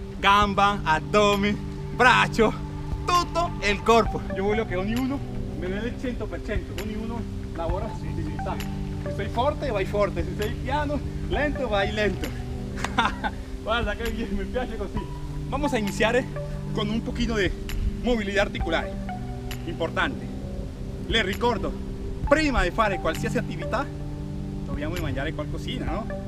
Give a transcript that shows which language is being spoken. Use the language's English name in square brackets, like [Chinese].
[Italian] Gamba, abdomen, braccio, [Spanish] todo el cuerpo. Yo quiero que [Italian] ognuno [Spanish] me dé el 100%. [Italian] Ognuno lavora su utilità. Si sei forte, vai forte. Si sei piano, lento, vai lento. Guarda, [Spanish] que bien, [Italian] me piace così. [Spanish] Vamos a iniciar con un poquito de movilidad articular. Importante. [Italian] Le ricordo, prima de fare qualsiasi attività, dobbiamo mangiare qualcosina, no?